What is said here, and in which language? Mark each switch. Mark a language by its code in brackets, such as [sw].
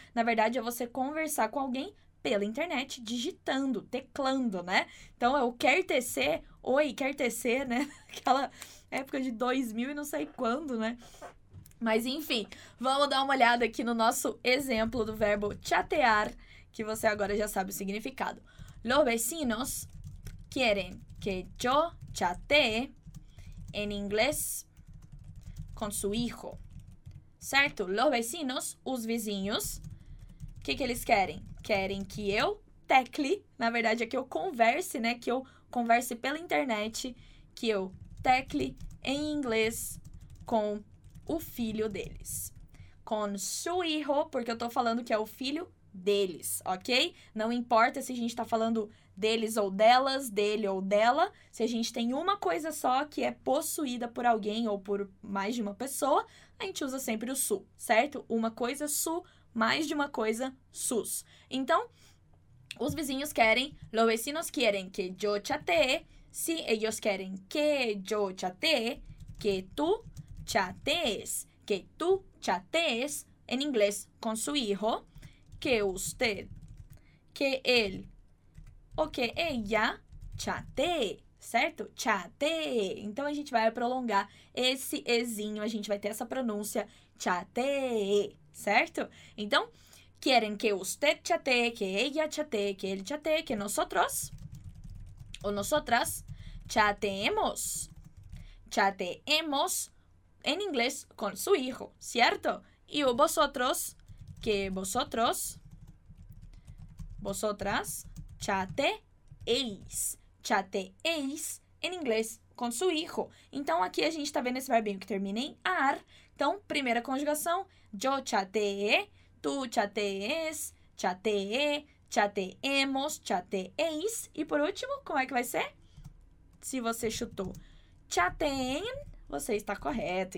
[pt] Na verdade, é você conversar com alguém pela internet, digitando, teclando, né? Então, é o quer tecer, oi, quer tecer, né? Aquela época de 2000 e não sei quando, né? Mas, enfim, vamos dar uma olhada aqui no nosso exemplo do verbo chatear, que você agora já sabe o significado. [es] Los vecinos quieren que yo chatee en inglés con su hijo. [pt] Certo? [es] Los vecinos, [pt] os vizinhos, o que, que eles querem? Querem que eu tecle, na verdade é que eu converse, né? Que eu converse pela internet, que eu tecle em inglês com o filho deles. [es] Con su hijo, [pt] porque eu tô falando que é o filho deles, ok? Não importa se a gente tá falando deles ou delas, dele ou dela, se a gente tem uma coisa só que é possuída por alguém ou por mais de uma pessoa, a gente usa sempre o su, certo? Uma coisa su, mais de uma coisa, sus. Então, os vizinhos querem, [es] los vecinos quieren que yo chatee, si ellos quieren que yo chatee, que tú chatees, que tú chatees, en inglés, con su hijo, que usted, que él, o que ella chatee, certo? Chatee. [pt] Então, a gente vai prolongar esse ezinho, a gente vai ter essa pronúncia, chatee. Certo? Então, querem que [es] usted chatee, que ella chatee, que él chatee, que nosotros o nosotras chateemos. Chateemos en inglés con su hijo, ¿cierto? Y vosotros, que vosotros, vosotras chateéis. Chateéis en inglés con su hijo. [pt] Então, aqui a gente está vendo esse verbinho que termina em ar. Então, primeira conjugação, [es] yo chateé, tú chatees, chateé, chateemos, chateéis. [pt] E por último, como é que vai ser? Se você chutou chateen, você está correto.